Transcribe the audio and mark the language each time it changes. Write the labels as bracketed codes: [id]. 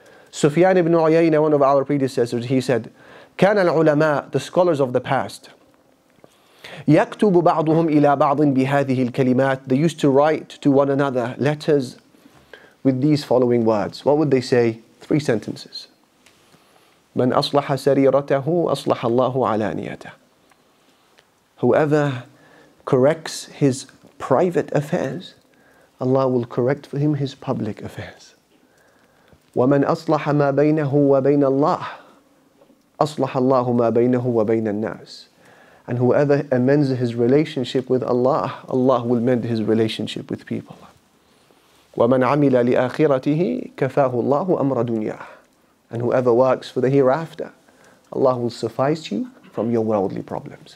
[en] Sufyan ibn Uyayna, one of our predecessors, he said, [ar] كان العلماء, [en] the scholars of the past, [ar] يكتب بعضهم إلى بعض بهذه الكلمات. [en] They used to write to one another letters with these following words. What would they say? Three sentences. [ar] من أصلح سريرته أصلح الله علانيته. [en] Whoever corrects his private affairs, Allah will correct for him his public affairs. [ar] ومن أصلح ما بينه وبين الله أصلح الله ما بينه وبين الناس. [en] And whoever amends his relationship with Allah, Allah will mend his relationship with people. [ar] وَمَنْ عَمِلَ لِآخِرَتِهِ كَفَاهُ اللَّهُ أَمْرَ دُنْيَاهُ. [en] And whoever works for the hereafter, Allah will suffice you from your worldly problems.